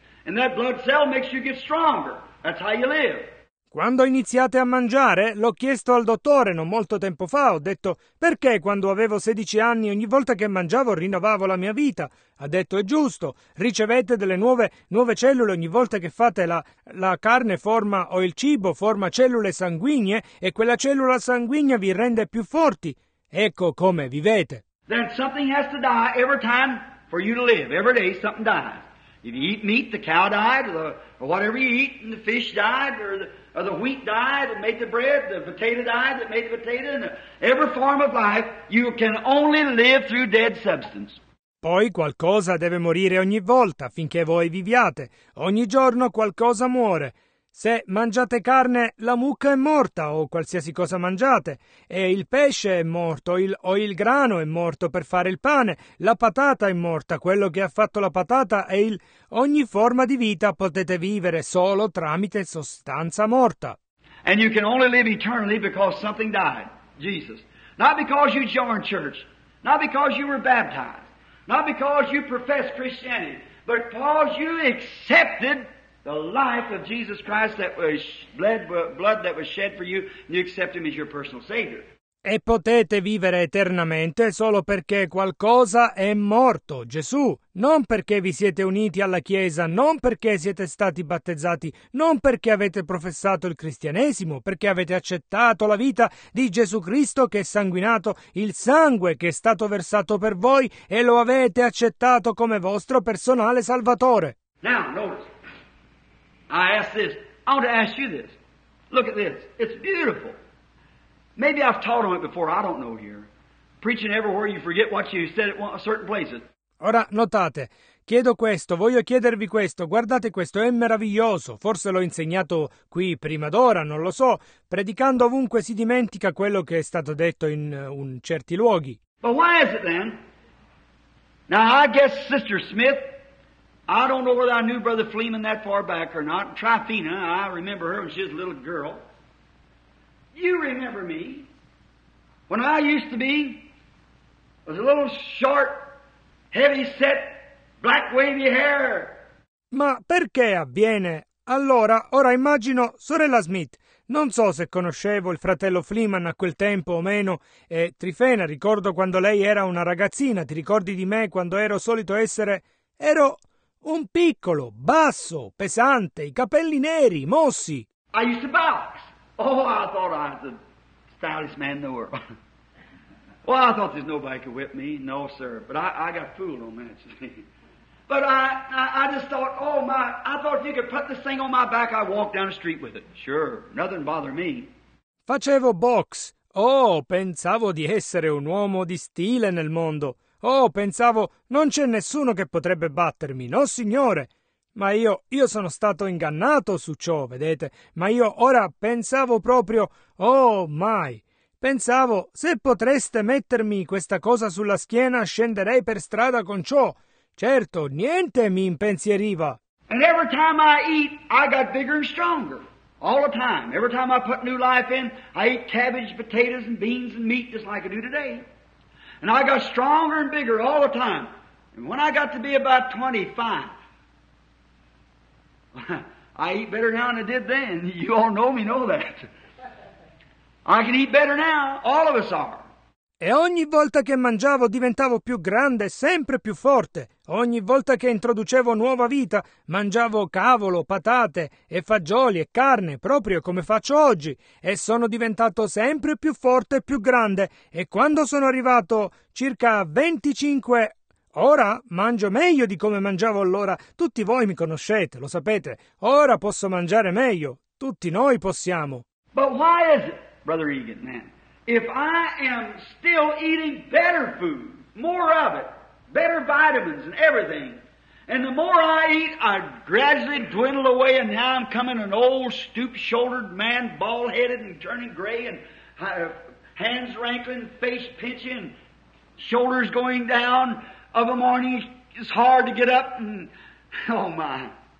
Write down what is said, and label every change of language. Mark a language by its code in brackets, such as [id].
[en] And that blood cell makes you get stronger. That's how you live. [it] Quando iniziate a mangiare, l'ho chiesto al dottore non molto tempo fa, ho detto, perché quando avevo 16 anni ogni volta che mangiavo rinnovavo la mia vita? Ha detto, è giusto, ricevete delle nuove cellule ogni volta che fate la carne forma o il cibo forma cellule sanguigne e quella cellula sanguigna vi rende più forti. Ecco come vivete. [en] Then something has to die every time for you to live. Every day something dies. If you eat meat, the cow died, or whatever you eat, and the fish died, or the wheat died that made the bread, the potato died that made the potato, and every form of life, you can only live through dead substance. [it] Poi qualcosa deve morire ogni volta, finché voi viviate. Ogni giorno qualcosa muore. Se mangiate carne, la mucca è morta, o qualsiasi cosa mangiate. E il pesce è morto, o il grano è morto per fare il pane. La patata è morta, quello che ha fatto la patata è il... Ogni forma di vita potete vivere solo tramite sostanza morta. [en] And you can only live eternally because something died, Jesus. Not because you joined church, not because you were baptized, not because you professed Christianity, but because you accepted the life of Jesus Christ that was blood that was shed for you, and you accept him as your personal savior. [it] E potete vivere eternamente solo perché qualcosa è morto, Gesù. Non perché vi siete uniti alla Chiesa, non perché siete stati battezzati, non perché avete professato il cristianesimo, perché avete accettato la vita di Gesù Cristo che è sanguinato, il sangue che è stato versato per voi e lo avete accettato come vostro personale salvatore. [en] Now, notice. I ask this. I want to ask you this. Look at this. It's beautiful. Maybe I've taught on it before. I don't know here. Preaching everywhere, you forget what you said at certain places. [it] Ora, notate. Chiedo questo. Voglio chiedervi questo. Guardate questo. È meraviglioso. Forse l'ho insegnato qui prima d'ora, non lo so. Predicando ovunque si dimentica quello che è stato detto in certi luoghi. [en] But why is it then? Now, I guess Sister Smith... I don't know whether I knew Brother Fleeman that far back or not. Tryphena, I remember her when she was a little girl. You remember me. When I used to be, was a little short, heavy-set, black wavy hair. [it] Ma perché avviene? Allora, ora immagino sorella Smith. Non so se conoscevo il fratello Fleeman a quel tempo o meno. Tryphena, ricordo quando lei era una ragazzina. Ti ricordi di me quando ero solito essere... Ero... Un piccolo, basso, pesante, i capelli neri, mossi. [en] I used to box. Oh, I thought I was the stoutest man in the world. Well, I thought there's nobody could whip me. No, sir. But I got fooled on that. But I just thought, oh, my. I thought if you could put this thing on my back, I'd walk down the street with it. Sure, nothing bothered me. [it] Facevo box. Oh, pensavo di essere un uomo di stile nel mondo. Oh, pensavo, non c'è nessuno che potrebbe battermi, no signore? Ma io sono stato ingannato su ciò, vedete? Ma io ora pensavo proprio, oh mai! Pensavo, se potreste mettermi questa cosa sulla schiena, scenderei per strada con ciò. Certo, niente mi impensieriva. [en] And every time I eat, I got bigger and stronger. All the time. Every time I put new life in, I eat cabbage, potatoes and beans and meat just like I do today. And I got stronger and bigger all the time. And when I got to be about 25, I eat better now than I did then. You all know me, know that. I can eat better now. All of us are. [it] E ogni volta che mangiavo diventavo più grande, sempre più forte. Ogni volta che introducevo nuova vita, mangiavo cavolo, patate e fagioli e carne, proprio come faccio oggi. E sono diventato sempre più forte e più grande. E quando sono arrivato circa 25... Ora mangio meglio di come mangiavo allora. Tutti voi mi conoscete, lo sapete. Ora posso mangiare meglio. Tutti noi possiamo. [en] But why is it, Brother Egan, man? If I am still eating better food, more of it, better vitamins and everything, and the more I eat, I gradually dwindle away, and now I'm coming an old stoop-shouldered man, bald-headed and turning gray, and hands wrinkling, face pinching, shoulders going down of a morning, it's hard to get up, and oh my.